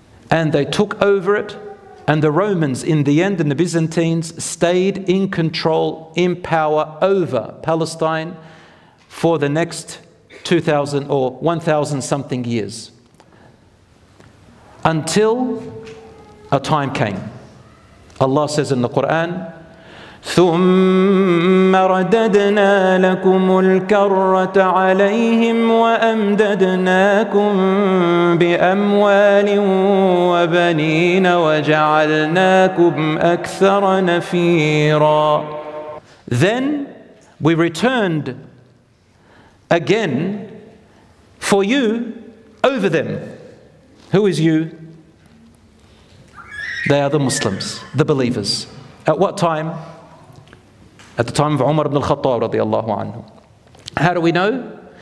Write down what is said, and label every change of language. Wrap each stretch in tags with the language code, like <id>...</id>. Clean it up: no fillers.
<en>And they took over it. And the Romans in the end and the Byzantines stayed in control, in power over Palestine for the next 2,000 or 1,000 something years. Until a time came. Allah says in the Quran,</en> <ar>ثُمَّ رَدَدْنَا لَكُمُ الْكَرَّةَ عَلَيْهِمْ وَأَمْدَدْنَاكُمْ بِأَمْوَالٍ وَبَنِينَ وَجَعَلْنَاكُمْ أَكْثَرَ نَفِيرًا.</ar> <en>Then we returned again for you over them. Who is you? They are the Muslims, the believers. At what time? At the time of Umar ibn al-Khattab radiallahu anhu. How do we know?</en>